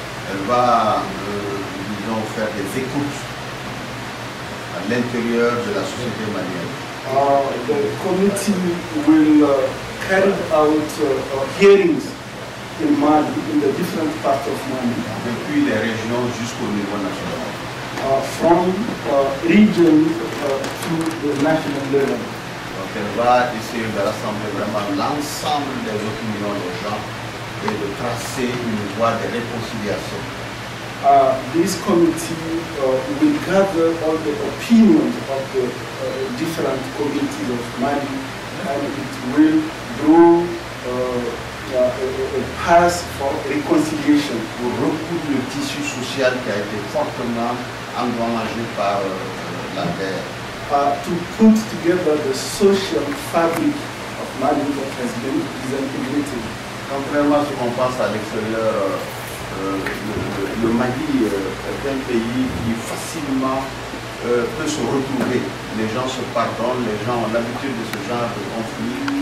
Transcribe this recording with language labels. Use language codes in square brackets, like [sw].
[fr] Elle va, disons, faire des écoutes à l'intérieur de la société malienne. [en] The committee will carried out hearings in Mali, in the different parts of Mali. [fr] Depuis les régions jusqu'au niveau national. [en] From region to the national level. [fr] Donc elle va essayer de rassembler vraiment l'ensemble des opinions des gens et de tracer une voie de réconciliation. [en] This committee will gather all the opinions of the different communities of Mali, and it will through a pass for reconciliation. [fr] Pour recoudre le tissu social qui a été fortement endommagé par la guerre. [en] To put together the social fabric of Mali that has been disintegrated. [fr] Contrairement à ce qu'on pense à l'extérieur, le Mali est un pays qui facilement peut se retrouver. Les gens se pardonnent, les gens ont l'habitude de ce genre de conflit.